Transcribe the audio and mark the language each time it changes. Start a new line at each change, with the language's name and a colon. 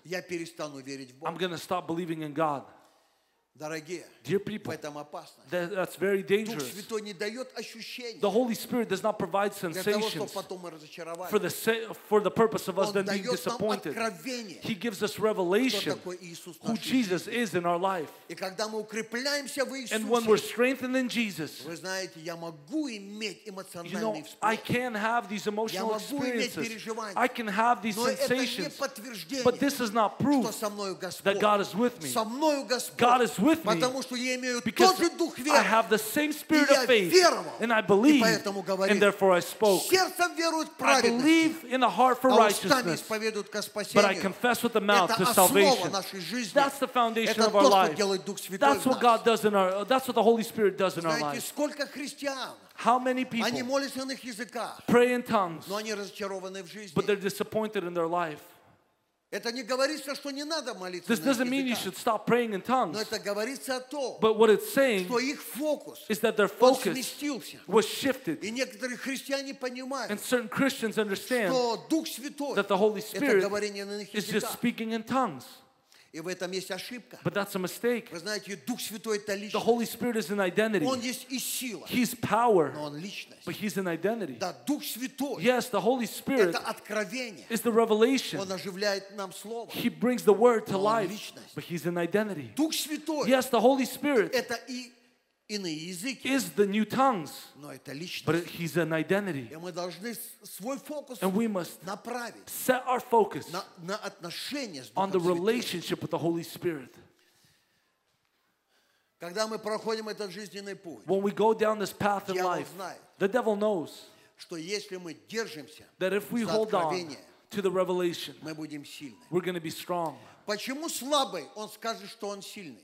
Russian: я перестану верить в Бога.
English: I'm going to stop believing in God.
Russian: Дорогие,
English: Dear people,
Russian: в этом опасно.
English: That's very dangerous.
Russian: Дух Святой не дает ощущений.
English: The Holy Spirit does not provide sensations
Russian: для того, чтобы потом мы разочаровались.
English: For the purpose of us then being disappointed.
Russian: Он дает нам откровение.
English: He gives us revelation
Russian: кто такой Иисус в нашей жизни.
English: Jesus is in our life.
Russian: И когда мы укрепляемся в Иисусе,
English: And when we're strengthened in Jesus,
Russian: вы знаете, я могу иметь эмоциональные
English: you know,
Russian: вспышки.
English: I can have these emotional
Russian: я могу
English: experiences.
Russian: Иметь переживания.
English: I can have these
Russian: Но
English: sensations.
Russian: Это не подтверждение,
English: But this is not proof
Russian: что со мною Господь.
English: That God is with me.
Russian: Со мною Господь.
English: God is with me.
Russian: Потому что я имею тот же дух веры.
English: I have the same spirit of faith. And I believe. And therefore I spoke.
Russian: Сердцем веруют праведности.
English: I believe in the heart for righteousness. But I confess with the mouth to salvation. That's the foundation of our life. That's what God does in our. That's what the Holy Spirit does in our life.
Russian: Сколько христиан?
English: How many people pray in tongues, but they're disappointed in their life? This doesn't mean you should stop praying in tongues, but what it's saying is that their focus was shifted. And certain Christians understand that the Holy Spirit is just speaking in tongues.
Russian: И в этом есть ошибка.
English: But that's a mistake.
Russian: Вы знаете, Дух Святой — это личность.
English: The Holy Spirit is an identity.
Russian: Он есть и сила.
English: He's power.
Russian: Но он личность.
English: But he's an identity.
Russian: Да, Дух Святой.
English: Yes, the Holy Spirit.
Russian: Это откровение.
English: Is the revelation.
Russian: Он оживляет нам слово.
English: He brings the word to life.
Russian: Личность.
English: But he's an identity.
Russian: Дух Святой.
English: Yes, the Holy Spirit.
Russian: Это и иные языки.
English: Is the new tongues.
Russian: Но это личность.
English: But he's an identity.
Russian: И мы должны свой фокус
English: and we must
Russian: направить
English: set our focus
Russian: на отношения с Духом Святым.
English: On the relationship with the Holy Spirit.
Russian: Когда мы проходим этот жизненный путь,
English: when we go down this path in life, the devil knows
Russian: что если мы держимся
English: that if we hold on to the revelation,
Russian: мы будем сильны.
English: We're going to be strong.
Russian: Почему слабый он скажет, что он сильный?